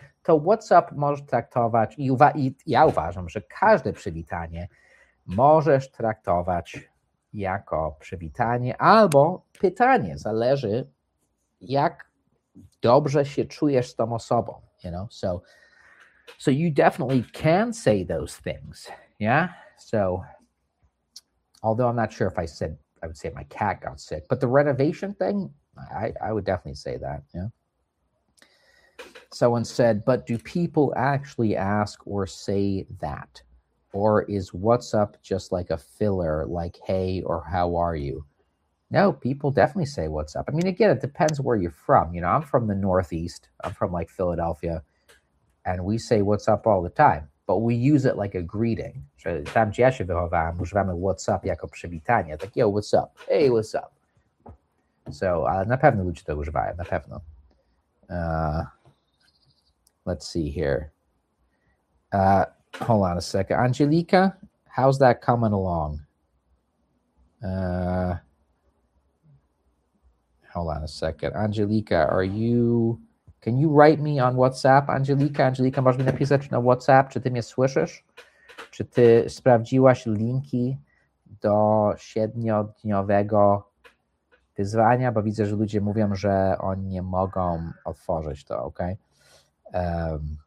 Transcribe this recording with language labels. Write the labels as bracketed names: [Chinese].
[Polish] To [English] what's up [Polish] możesz traktować i ja uważam, że każde przywitanie możesz traktować jako przywitanie albo pytanie. Zależy, jak dobrze się czujesz z tą osobą. [English] You know? So you definitely can say those things. Yeah? So, although I'm not sure if I would say my cat got sick, but the renovation thing, I would definitely say that. Yeah. Someone said, but do people actually ask or say that? Or is what's up just like a filler, like hey or how are you? No, people definitely say what's up. I mean, again, it depends where you're from. You know, I'm from the Northeast. I'm from like Philadelphia. And we say what's up all the time. But we use it like a greeting. [Polish] So tam gdzie ja się wychowałem, używamy [English] what's up [Polish] jako przywitanie. [English] Like, yo, what's up? [Polish] Hey, what's up? So na pewno ludzie to używają, na pewno. [English] Let's see here. Hold on a second. Angelica, how's that coming along? Hold on a second. Angelica, can you write me on WhatsApp? [Polish] Angelica, możesz mi napisać na WhatsApp? Czy ty mnie słyszysz? Czy ty sprawdziłaś linki do 7-dniowego wyzwania? Bo widzę, że ludzie mówią, że oni nie mogą otworzyć to, okej? Okay?